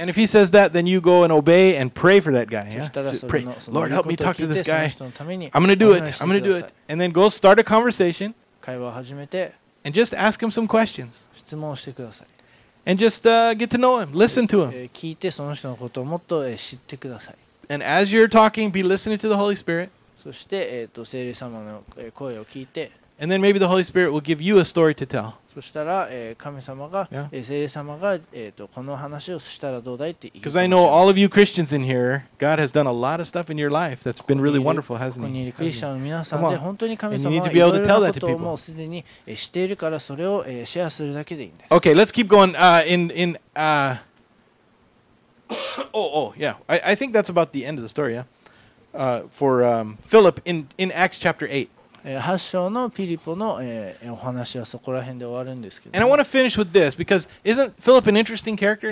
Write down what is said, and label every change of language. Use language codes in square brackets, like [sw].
[en] And if he says that, then you go and obey and pray for that guy. Just pray. Lord, help me talk to this guy. I'm going to do it. And then go start a conversation. [ja] 会話を始めて。 [en] And just ask him some questions. [ja] 質問をしてください。 [en] And just get to know him. Listen to him. [ja] 聞いてその人のことをもっと知ってください。 [en] And as you're talking, be listening to the Holy Spirit. [ja] そして聖霊様の声を聞いて。 [en] And then maybe the Holy Spirit will give you a story to tell. [ja] そしたら神様が聖霊様がこの話をしたらどうだいって。 [en] Because I know all of you Christians in here, God has done a lot of stuff in your life that's been really wonderful, hasn't He? [ja] ここにいるクリスチャンの皆さんで本当に神様はいろいろなことをもうすでにしているからそれをシェアするだけでいいんです。 [en] Okay, let's keep going. I think that's about the end of the story. Yeah. Philip in Acts chapter 8. [ja] 8章のピリポの、お話はそこら辺で終わるんですけど、ね。 [en] And I want to finish with this because isn't Philip an interesting character?